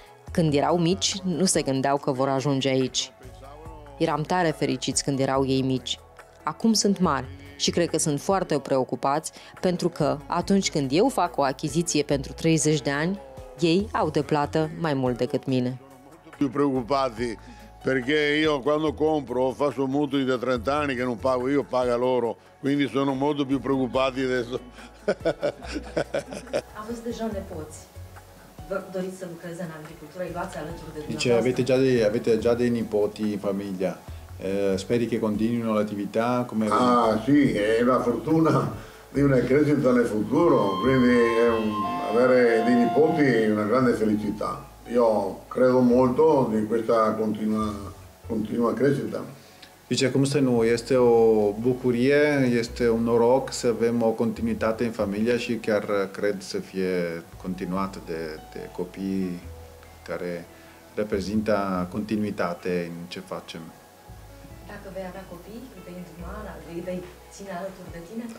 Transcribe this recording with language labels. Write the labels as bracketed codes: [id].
[ro] Când erau mici, nu se gândeau că vor ajunge aici. Eram tare fericiți când erau ei mici. Acum sunt mari și cred că sunt foarte preocupați, pentru că atunci când eu fac o achiziție pentru 30 de ani, ei au de plată mai mult decât mine. Sunt preocupați. [it] Perché io quando compro faccio mutui da 30 anni che non pago io, paga loro. Quindi sono molto più preoccupati adesso. [ro] Aveți deja nepoți. Vă doriți să lucrez în agricultură, îi luați alături de dumneavoastră. [it] Dice, avete già dei nipoti in famiglia. Speri che continuino l'attività come... Ah, sì, è la fortuna di una crescita nel futuro. Quindi avere dei nipoti è una grande felicità. Io credo molto di questa continua crescita. [ro] Dice, cum să nu, este o bucurie, este un noroc să avem o continuitate în familie și chiar cred să fie continuată de copii care reprezintă continuitate în ce facem. Dacă vei avea copii, îi vei îndruma, îi vei ține alături de tine?